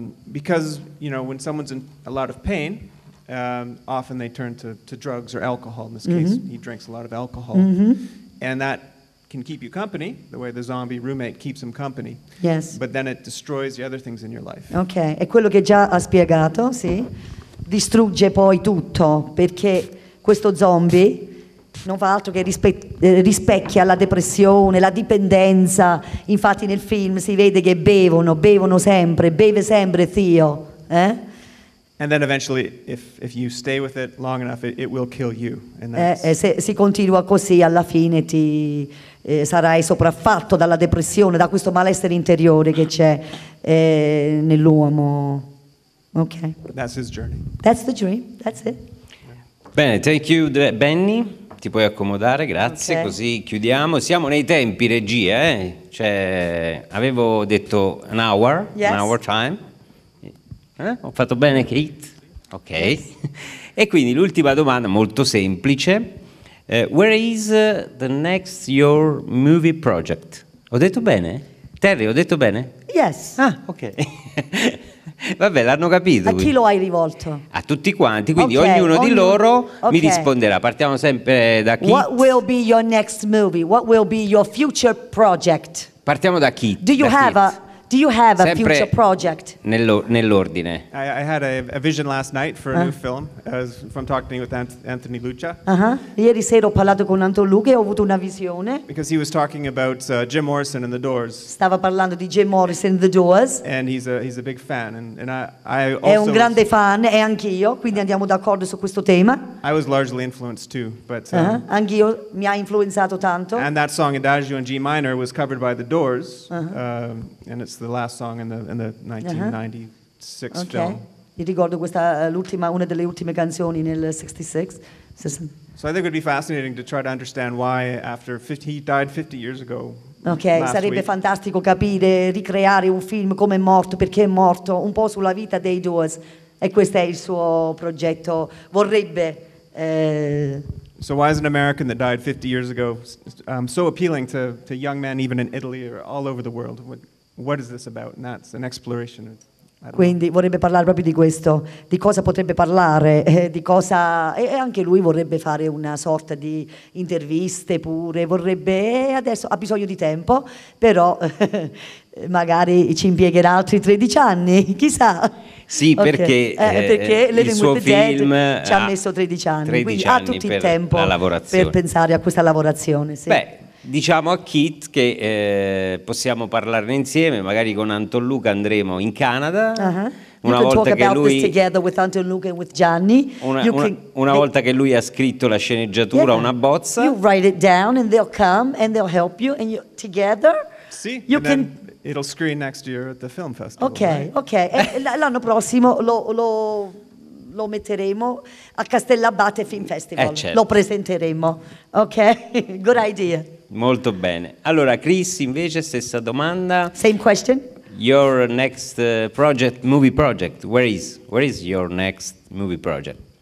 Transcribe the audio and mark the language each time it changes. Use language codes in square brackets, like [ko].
[en] Because you know when someone's in a lot of pain often they turn to drugs or alcohol. In this case he drinks a lot of alcohol and that can keep you company the way the zombie roommate keeps him company. Yes, but then it destroys the other things in your life. [it] Okay, è quello che già ha spiegato, sì, distrugge poi tutto perché questo zombie non fa altro che rispecchia la depressione, la dipendenza. Infatti nel film si vede che bevono sempre, beve sempre Theo. [en] And then eventually, if you stay with it long enough, it will kill you. And [it] se si continua così, alla fine ti sarai sopraffatto dalla depressione, da questo malessere interiore che c'è nell'uomo. Okay. [en] That's his journey. That's the dream. That's it. [it] Bene, [en] thank you, Benny. [it] Ti puoi accomodare, grazie. Okay. Così chiudiamo. Siamo nei tempi, regia, eh? Cioè, avevo detto [en] an hour, yes. An hour time. [it] Ho fatto bene, Kate? Ok. [en] Yes. [it] E quindi l'ultima domanda, molto semplice. [en] Where is the next your movie project? [it] Ho detto bene? Terry, ho detto bene? [en] Yes. [it] Ah, ok. Vabbè, l'hanno capito. A chi lo hai rivolto? A tutti quanti, quindi okay, ognuno di loro mi risponderà. Partiamo sempre da Kit. [en] What will be your next movie? What will be your future project? [it] Partiamo da Kit. [en] Do you have Kit. A do you have a future project? [it] Nell'ordine. [en] I had a vision last night for a new film, as from talking with Anthony Lucia. [it] Ieri sera ho parlato con Anton Luca e ho avuto una visione. [en] Because he was talking about Jim Morrison and the Doors. [it] Stava parlando di Jim Morrison and the Doors. [en] And he's a big fan, and I also. [it] È un grande fan e anch'io, quindi andiamo d'accordo su questo tema. [en] I was largely influenced too, but. [it] Anch'io mi ha influenzato tanto. [en] And that song Adagio in G minor was covered by the Doors. And it's the last song in the 1996 film. [it] Io ricordo questa l'ultima, una delle ultime canzoni nel 66. [en] So I think it would be fascinating to try to understand why after 50, he died 50 years ago. [it] Okay, sarebbe fantastico capire, ricreare un film come è morto, perché è morto, un po' sulla vita dei Doors. E questo è il suo progetto. Vorrebbe. [en] So why is an American that died 50 years ago so appealing to young men even in Italy or all over the world? What is this about? And that's an exploration. [it] Quindi vorrebbe parlare proprio di questo, di cosa potrebbe parlare, di cosa, e anche lui vorrebbe fare una sorta di interviste pure, vorrebbe, adesso ha bisogno di tempo, però magari ci impiegherà altri 13 anni, chissà. Sì, perché, okay. Perché il suo film ci ha messo 13 anni, 13 quindi anni ha tutto il tempo per pensare a questa lavorazione. Sì. Beh, diciamo a Kit che possiamo parlarne insieme, magari con Anton Luca andremo in Canada. Una volta che lui [en] with Anton Luca and with Gianni. [it] Una volta che lui ha scritto la sceneggiatura, una bozza. [en] You write it down and they'll come and they'll help you and you together. [it] Sì, [en] you can it'll screen next year at the film festival. Okay, right? Okay. [it] L'anno prossimo lo metteremo a Castellabate Film Festival. Certo. Lo presenteremo. Okay. [en] Good idea. [it] Molto bene. Allora, Chris, invece, stessa domanda. [en] Same question. Your next project. Where is your next movie project?